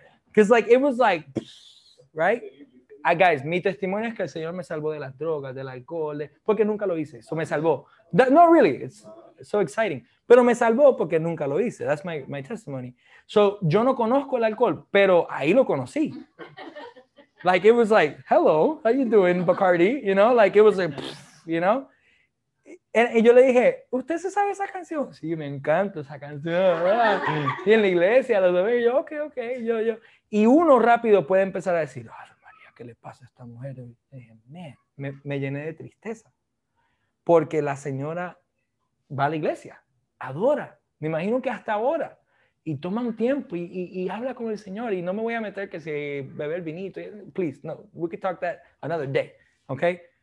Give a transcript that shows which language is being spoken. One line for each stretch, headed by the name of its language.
English: Because, like, it was like, right?
Spanish: Guys, mi testimonio es que el Señor me salvó de las drogas, del alcohol, porque nunca lo hice. Eso me salvó.
English: No, really. It's so exciting.
Spanish: Pero me salvó porque nunca lo hice.
English: That's my testimony. So,
Spanish: yo no conozco el alcohol, pero ahí lo conocí.
English: Like, it was like, hello, how you doing, Bacardi? You know, like, it was like, you know.
Spanish: Y yo le dije, ¿usted se sabe esa canción? Sí, me encanta esa canción. ¿Verdad? Y en la iglesia, los demás, yo, ok. Yo. Y uno rápido puede empezar a decir, ay, María, ¿qué le pasa a esta mujer? Y dije, me llené de tristeza. Porque la señora va a la iglesia, adora, me imagino que hasta ahora, y toma un tiempo y habla con el Señor, y no me voy a meter que si bebe el vinito,
English: please, no, we could talk that another day, okay?